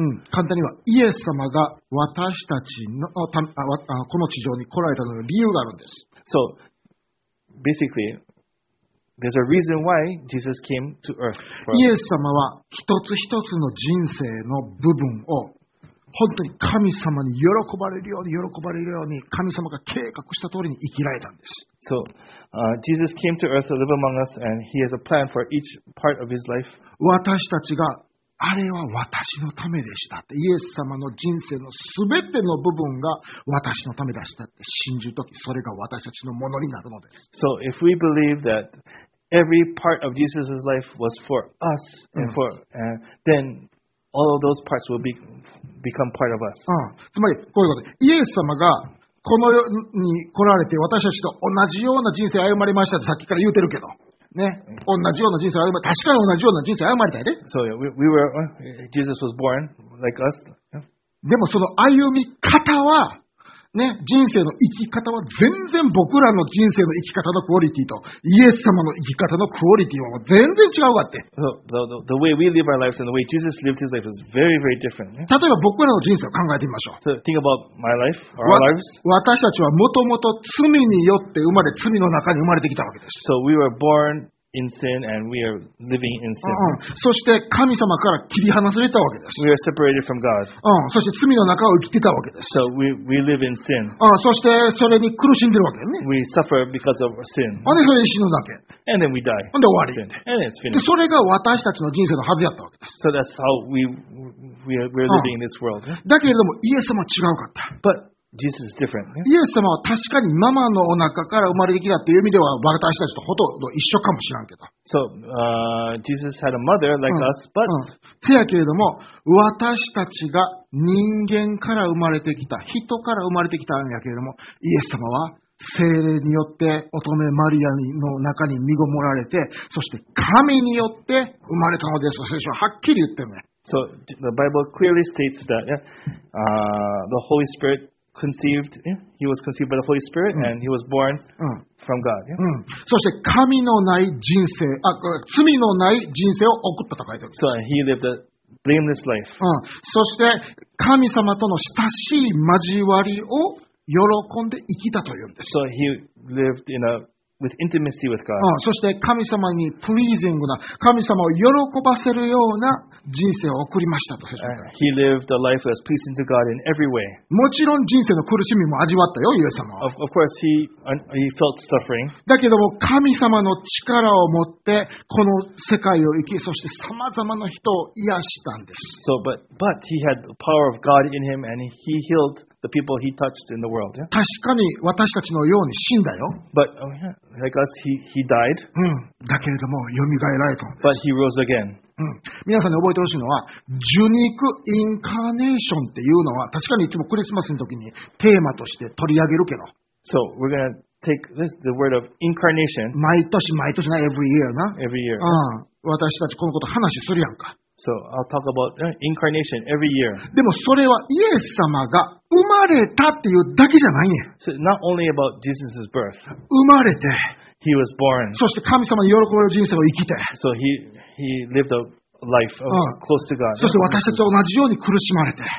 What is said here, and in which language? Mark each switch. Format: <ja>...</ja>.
<ja>簡単にはイエス様が私たちのこの地上に来られたのに理由があるんです。</ja> <en>So basically. There's a reason why Jesus came to earth.</en> <ja>イエス様は一つ一つの人生の部分を本当に神様に喜ばれるように喜ばれるように神様が計画した通りに生きられたんです。</ja> <en>So, Jesus came to earth to live among us and he has a plan for each part of his life.</en> <ja>私たちがあれは私のためでしたってイエス様の人生のすべての部分が私のためでしたって信じるときそれが私たちのものになるのです。</ja> <en>So if we believe that every part of Jesus' life was for us and for then all of those parts will become part of us.</en> <ja>つまりこういうことイエス様がこの世に来られて私たちと同じような人生を歩まれましたってさっきから言うてるけど。ね、同じような人生を歩まれ、確かに同じような人生を歩まれたいで。</ja> <en>So, we were, Jesus was born like us.</en> <ja>でもその歩み方は、ね、人生の生き方は全然僕らの人生の生き方のクオリティとイエス様の生き方のクオリティは全然違うわって。</ja> <en>So, the way we live our lives and the way Jesus lived his life is very, very different.</en> <ja>例えば僕らの人生を考えてみましょう。</ja> <en>So, think about my life, or our lives.</en> <ja>私たちはもともと罪によって生まれ、罪の中に生まれてきたわけです。</ja> <en>So, we were born in sin and we are living in sin.</en> <ja>そして神様から切り離されたわけです。</ja> <en>We are separated from God.</en> <ja>そして罪の中を生きてたわけです。</ja> <en>So we live in sin.</en> <ja>そしてそれに苦しんでるわけね。</ja> <en>We suffer because of sin.</en> <ja>で、それで死ぬだけ。</ja> <en>And then we die.</en> <ja>で、終わり。</ja> <en>And then it's finished.</en> <ja>で、それが私たちの人生のはずやったわけです。</ja> <en>So that's how we're living in this world.</en> <ja>だけれども、イエス様は違うかった。</ja> <en>But Jesus is different.</en> <ja>イエス様は確かにママのお腹から生まれてきたという意味では私たちとほとんど一緒かもしれんけど。</ja> <en>So, Jesus had a mother like us, but...</en> <ja>せやけれども、私たちが人間から生まれてきた、人から生まれてきたんやけれども、イエス様は聖霊によって乙女マリアの中に身ごもられて、そして神によって生まれたのです。聖書ははっきり言ってるね。</ja> <en>So, the Bible clearly states that, the Holy Spirit conceived, he was conceived by the Holy Spirit, and he was born from God. Yeah?</en> <ja>そして神のない人生、罪のない人生を送ったと書いてある。</ja> <en>So he lived a blameless life.</en> <ja>そして神様との親しい交わりを喜んで生きたというんです。</ja> <en>So he lived in a with intimacy with God.</en> <ja>そして神様にプリージングな、神様を喜ばせるような人生を送りましたと。</ja> <en>He lived a life that's pleasing to God in every way.</en> <ja>もちろん人生の苦しみも味わったよ、イエス様。</ja> <en>Of course, he felt suffering.</en> <ja>だけども神様の力を持ってこの世界を生き、そして様々な人を癒したんです。</ja> <en>So, but he had the power of God in him, and he healed the people he touched in the world. Yeah?</en> <ja>確かに私たちのように死んだよ。</ja> <en>But like us, he died.</en> <ja>だけれども蘇られたんです。</ja> <en>But he rose again.</en> <ja>皆さんに覚えてほしいのは、受肉インカーネーションっていうのは、確かにいつもクリスマスの時にテーマとして取り上げるけど。</ja> <en>So, we're gonna take this, the word of incarnation.</en> <ja>毎年毎年な、</ja> <en>every year</en> <ja>な。</ja> <en>Every year.</en> <ja>私たちこのこと話するやんか。</ja> <en>So, I'll talk about incarnation every year.</en> <ja>でもそれはイエス様が生まれたっていうだけじゃないね。</ja> <en>So, not only about Jesus' birth.</en> <ja>生まれて。</ja> <en>He was born.</en> <ja>そして神様に喜ばれる人生を生きて。</ja> <en>So, he lived a life of close to God.</en> <ja>そして私たちと同じように苦しまれて。</ja>